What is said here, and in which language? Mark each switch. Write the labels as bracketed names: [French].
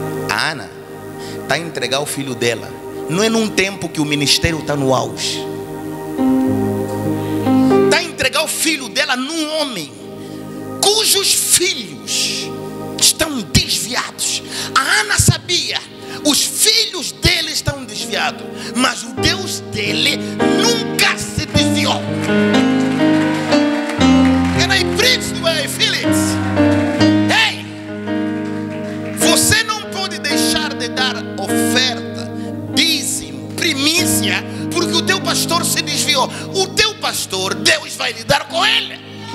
[Portuguese] A Ana está a entregar o filho dela, não é num tempo que o ministério está no auge, está a entregar o filho dela num homem cujos filhos estão desviados. A Ana sabia, os filhos dele estão desviados, mas o Deus dele nunca se desviou. [English] Can I preach the way, Felix? [Portuguese] Ei! Você não pode deixar de dar oferta, dízimo, primícia, porque o teu pastor se desviou. O teu pastor, Deus vai lidar com ele.